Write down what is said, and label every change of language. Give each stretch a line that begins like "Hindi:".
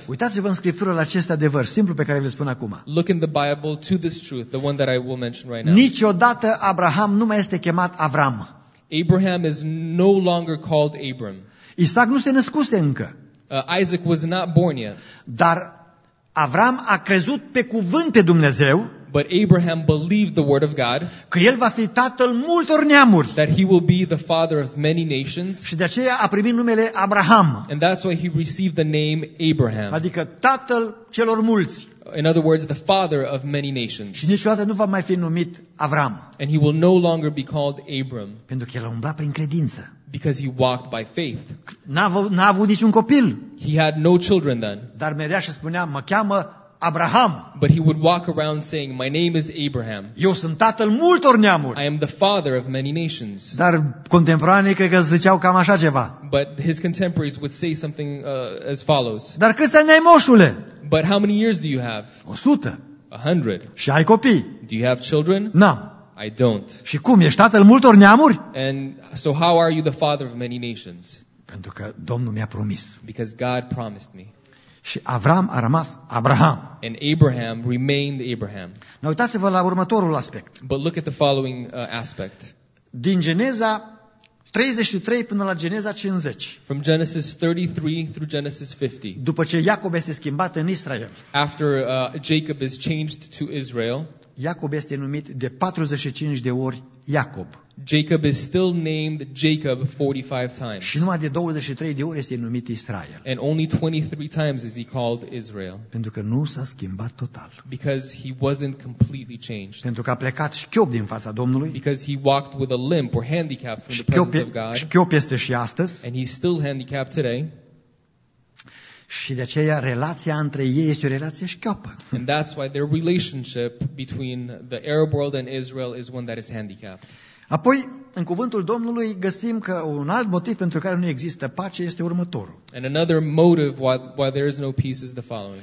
Romanian: Uitați-vă în Scriptură la acest adevăr simplu pe care vi-l spun acum.
English: Look in the Bible to this truth, the one that I will mention right now.
Romanian: Niciodată Abraham nu mai este chemat Avram.
English: Abraham is no longer called Abram.
Romanian: Isaac nu se născuse încă.
English: Isaac was not born yet.
Romanian: Dar Avram a crezut pe cuvânt pe Dumnezeu.
English: But Abraham believed the word of God.
Romanian: Că el va fi tatăl multor neamuri.
English: That he will be the father of many nations.
Romanian: Și de aceea a primit numele Abraham.
English: And that's why he received the name Abraham.
Romanian: Adică tatăl celor mulți.
English: In other words, the father of many nations.
Romanian: Și niciodată nu va mai fi numit Avram.
English: And he will no longer be called Abram.
Romanian: Pentru că el a umblat prin credință.
English: Because he walked by faith.
Romanian: N-a avut niciun copil.
English: He had no children then.
Romanian: Dar mergea și spunea, mă cheamă Abraham.
English: But he would walk around saying, my name is Abraham.
Romanian: Eu sunt tatăl multor neamuri.
English: I am the father of many nations.
Romanian: Dar contemporanii cred că ziceau cam așa ceva.
English: But his contemporaries would say something as follows.
Romanian: Dar câți ani ai, moșule?
English: But how many years do you have?
Romanian: 100.
English: 100.
Romanian: Și ai copii?
English: Do you have children?
Romanian: N-am.
English: I don't.
Romanian: Și cum, ești tatăl multor neamuri?
English: And so how are you the father of many nations?
Romanian: Pentru că Domnul mi-a promis.
English: Because God promised me.
Romanian: Și Avram a rămas Abraham.
English: And Abraham remained Abraham. Now,
Romanian: uitați-vă la următorul aspect.
English: But look at the following aspect.
Romanian: Din Geneza 33 până la Geneza 50.
English: From Genesis 33 through Genesis 50.
Romanian: După ce Iacob este schimbat în Israel.
English: After Jacob is changed to Israel.
Romanian: Iacob este numit de 45 de ori Iacob.
English: Jacob is still named Jacob 45 times.
Romanian: Și numai de 23 de ori este numit Israel.
English: And only 23 times is he called Israel.
Romanian: Pentru că nu s-a schimbat total.
English: Because he wasn't completely changed.
Romanian: Pentru că a plecat șchiop din fața Domnului.
English: Because he walked with a limp or handicap from the presence of God.
Romanian: Șchiop este și astăzi.
English: And he's still handicapped today.
Romanian: Și de aceea relația între ei este o relație șchioapă.
English: And that's why their relationship between the Arab world and Israel is one that is handicapped.
Romanian: Apoi, în cuvântul Domnului, găsim că un alt motiv pentru care nu există pace este următorul.
English: And another motive why there is no peace is the following.